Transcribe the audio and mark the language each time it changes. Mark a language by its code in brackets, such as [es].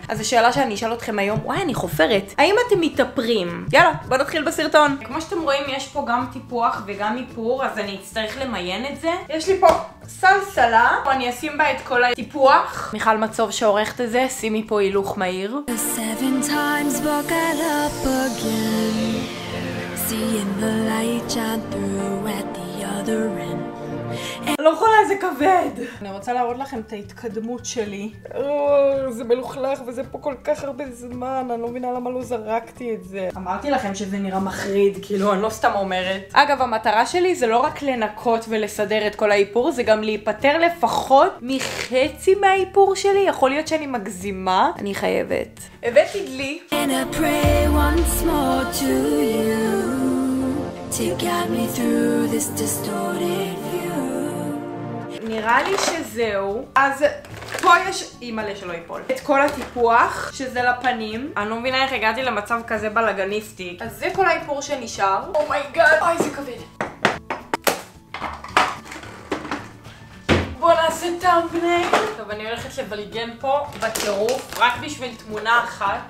[he] אז השאלה שאני אשאל אתכם היום, וואי אני חופרת, האם אתם מתאפרים? יאללה, בוא נתחיל בסרטון. כמו שאתם רואים יש פה גם טיפוח וגם איפור, אז אני אצטרך למיין את זה. יש לי פה סלסלה, פה אני אשים בה את כל הטיפוח. מיכל מצוב שעורכת את זה, שימי פה הילוך מהיר. [en] Seven times woke up again, seeing the light shine through at the other end. [he] לא יכולה, זה כבד! אני רוצה להראות לכם את ההתקדמות שלי. זה מלוכלך וזה פה כל כך הרבה זמן, אני לא מבינה למה לא זרקתי את זה. אמרתי לכם שזה נראה מחריד, כאילו אני לא סתם אומרת. אגב, המטרה שלי זה לא רק לנקות ולסדר את כל האיפור, זה גם להיפטר לפחות מחצי מהאיפור שלי. יכול להיות שאני מגזימה? אני חייבת. הבאתי דלי. [en] And I pray once more to you to get me through this distorted view. [he] נראה לי שזהו. אז פה יש, אימאלה שלא ייפול, את כל הטיפוח, שזה לפנים. אני לא מבינה איך הגעתי למצב כזה בלגניסטי. אז זה כל האיפור שנשאר. אומייגאד, אוי זה כבד. בוא נעשה טאמבנייל. טוב, אני הולכת לבלגן פה בטירוף, רק בשביל תמונה אחת.